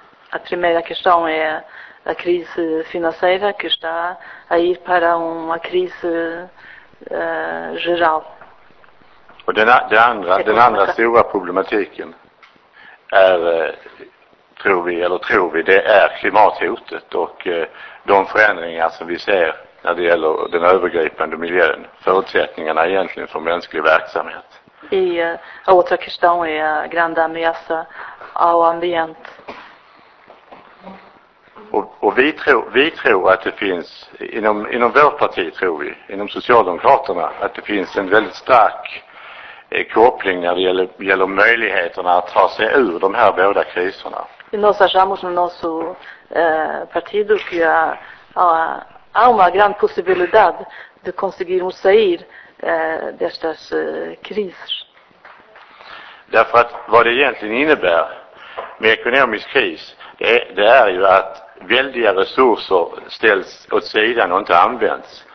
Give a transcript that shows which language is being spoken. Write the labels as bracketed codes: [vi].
[pt] A primeira questão é a crise financeira que está a ir para uma crise geral. [sv] Och den andra stora problematiken är, tror vi, det är klimathotet och de förändringar som vi ser när det gäller den övergripande miljön, förutsättningarna egentligen för mänsklig verksamhet. [pt] E a outra questão é a grande ameaça ao ambiente. [sv] Och vi tror att det finns inom vårt parti, tror vi, inom Socialdemokraterna, att det finns en väldigt stark koppling när det gäller möjligheterna att ta sig ur de här båda kriserna. [pt] E nós achamos no nosso partido que há uma grande possibilidade de conseguirmos sair destas crises. [sv] Därför att vad det egentligen innebär med ekonomisk kris, det är ju att väldiga resurser ställs åt sidan och inte används.